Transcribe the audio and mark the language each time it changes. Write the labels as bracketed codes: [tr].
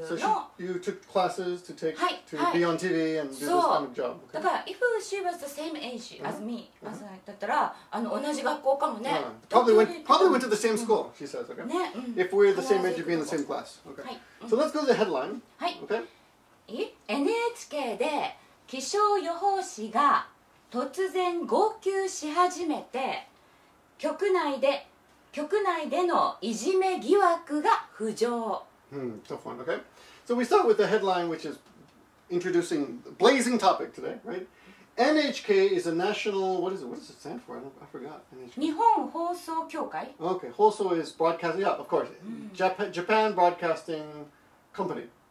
[en] So you took classes to take to be on TV and do this kind of job. So, if she was the same age as me, probably went to the same school, she says, okay? If we're the same age, you'd be in the same class. Okay. So let's go to the headline. Okay? [ja] NHKで気象予報士が突然号泣し始めて局内でのいじめ疑惑が浮上。 [en] Tough one, okay? So we start with the headline, which is introducing the blazing topic today, right? NHK is a national, what does it stand for? I forgot. Nihon Housou Kyoukai. Okay, Housou is broadcasting, yeah, of course. Japan Broadcasting Company.